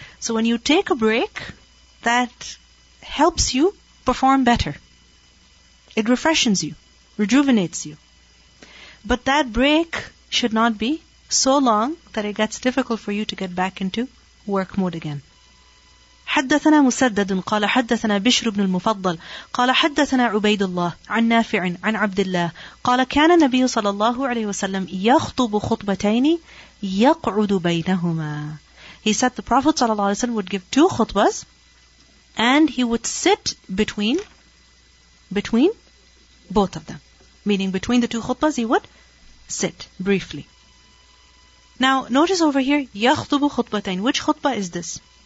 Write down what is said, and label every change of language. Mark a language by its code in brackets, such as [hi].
[en] So when you take a break, that helps you perform better. It refreshes you, rejuvenates you. But that break should not be so long that it gets difficult for you to get back into work mode again. [ar] حدثنا مسدد قال حدثنا بشر بن المفضل قال حدثنا عبيد الله عن نافع عن عبد الله قال كان النبي صلى الله عليه وسلم يخطب خطبتين يقعد بينهما. [en] He said the Prophet ﷺ would give two khutbas and he would sit between both of them. Meaning between the two khutbas, he would sit briefly. Now, notice over here, [ar] يَخْطُبُ خُطْبَتَيْنِ. [en] Which khutbah is this?